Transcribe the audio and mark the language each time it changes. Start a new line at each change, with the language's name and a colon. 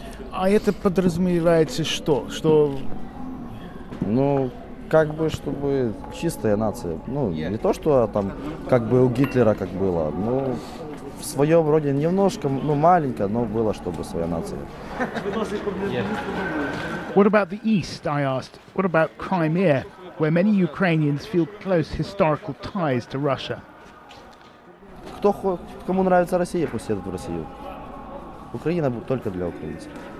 Russian: А это подразумевается что? Что? Ну, как бы, чтобы чистая нация. Ну, не то, что там, как бы у Гитлера как было, но в своем роде немножко, ну, маленько, но было, чтобы своя нация.
English: What about the East, I asked? What about Crimea, where many Ukrainians feel close historical ties to Russia?
Russian: Кто, кому нравится Россия, пусть едут в Россию. Украина только для украинцев.